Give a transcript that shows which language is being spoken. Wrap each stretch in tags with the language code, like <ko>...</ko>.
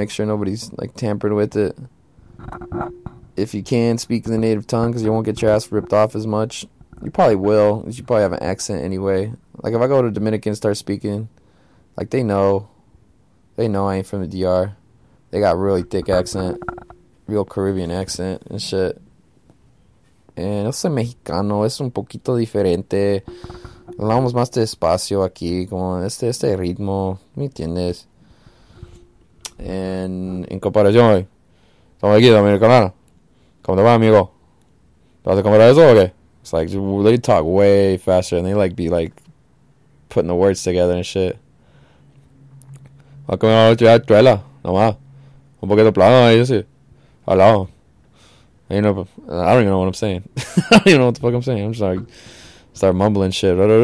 <en>Make sure nobody's like tampered with it. If you can, speak in the native tongue, because you won't get your ass ripped off as much. You probably will, because you probably have an accent anyway. Like, if I go to Dominican and start speaking, like, they know I ain't from the DR. They got really thick accent, real Caribbean accent and shit.</en> <es>And yo soy Mexicano, es un poquito diferente. Hablamos más despacio aquí, como este ritmo, ¿me entiendes? En comparación, estamos aquí, Dominicana. ¿Cómo te va, amigo? ¿Te vas a comer eso o qué?</es> <en>It's like, they talk way faster, and they, like, be, like, putting the words together and shit.</en> <es>¿Va a comer una truela? No más. Un poquito plano, ahí, sí. Hola.</es> <en>I don't even know what I'm saying. I don't even know what the fuck I'm saying. I'm just like, start mumbling shit.</en>